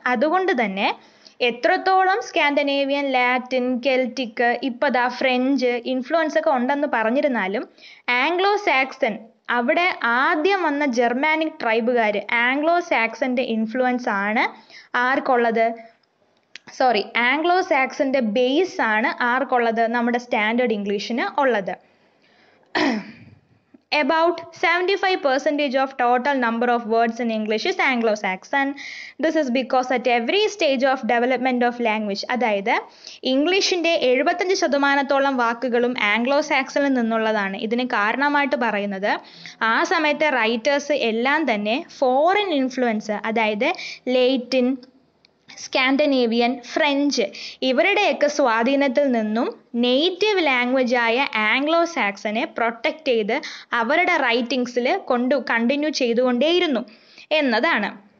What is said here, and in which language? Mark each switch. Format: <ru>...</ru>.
<ml>അതുകൊണ്ട് തന്നെ എത്രത്തോളം സ്കാൻഡനേവിയൻ, ലാറ്റിൻ, കെൽറ്റിക്, ഇപ്പതാ ഫ്രഞ്ച് ഇൻഫ്ലുവൻസ് ഒക്കെ ഉണ്ടെന്ന് പറഞ്ഞിരുന്നാലും ആംഗ്ലോ സാക്സൺ, അവിടെ ആദ്യം വന്ന ജർമാനിക് ട്രൈബുകാർ ആംഗ്ലോ സാക്സന്റെ ഇൻഫ്ലുവൻസ് ആണ് ആർക്കുള്ളത്, ആംഗ്ലോ സാക്സന്റെ ബേസ് ആണ് ആർക്കുള്ളത്, നമ്മുടെ സ്റ്റാൻഡേർഡ് ഇംഗ്ലീഷിന് ഉള്ളത്.</ml> <en>About 75% of total number of words in English is Anglo-Saxon. This is because at every stage of development of language,</en> <ml>അതായത് ഇംഗ്ലീഷിൻ്റെ 75% വാക്കുകളും Anglo-Saxonിൽ നിന്നുള്ളതാണ്. ഇതിന് കാരണമായിട്ട് പറയുന്നത് ആ സമയത്തെ റൈറ്റേഴ്സ് എല്ലാം തന്നെ ഫോറിൻ ഇൻഫ്ലുവൻസ്, അതായത് ലേറ്റിൻ, സ്കാൻഡനേവിയൻ, ഫ്രഞ്ച് ഇവരുടെയൊക്കെ സ്വാധീനത്തിൽ നിന്നും നെയ്റ്റീവ് ലാംഗ്വേജായ ആംഗ്ലോ സാക്സനെ പ്രൊട്ടക്റ്റ് ചെയ്ത് അവരുടെ റൈറ്റിംഗ്സിൽ കണ്ടിന്യൂ ചെയ്തുകൊണ്ടേയിരുന്നു എന്നതാണ്.</ml>